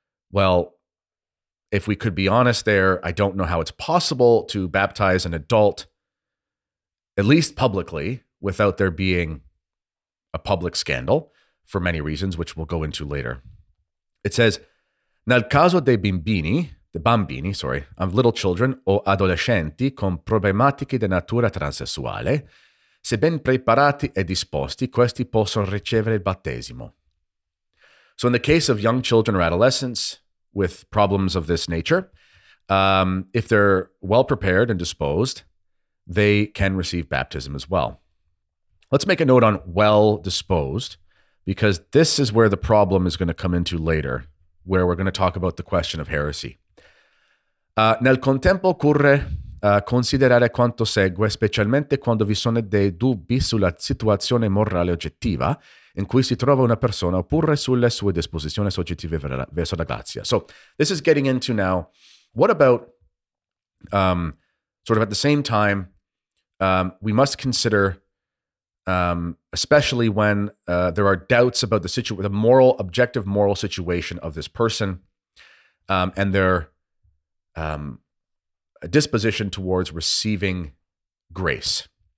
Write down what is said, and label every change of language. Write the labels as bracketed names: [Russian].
[English] Well, if we could be honest there, I don't know how it's possible to baptize an adult, at least publicly, without there being a public scandal for many reasons, which we'll go into later. It says, [Italian] nel caso dei bambini, [English] of little children [Italian] o adolescenti con problematiche di natura transessuale, se ben preparati e disposti, questi possono ricevere il battesimo. [English] So in the case of young children or adolescents with problems of this nature, if they're well prepared and disposed, they can receive baptism as well. Let's make a note on well disposed, because this is where the problem is going to come into later, where we're going to talk about the question of heresy. [Italian] Nel contempo occorre considerare quanto segue, specialmente quando vi sono dei dubbi sulla situazione morale oggettiva in cui si trova una persona oppure sulle sue disposizioni soggettive verso la grazia. [English] So this is getting into now, what about, sort of at the same time, we must consider, especially when there are doubts about the objective moral situation of this person, and their a disposition towards receiving grace.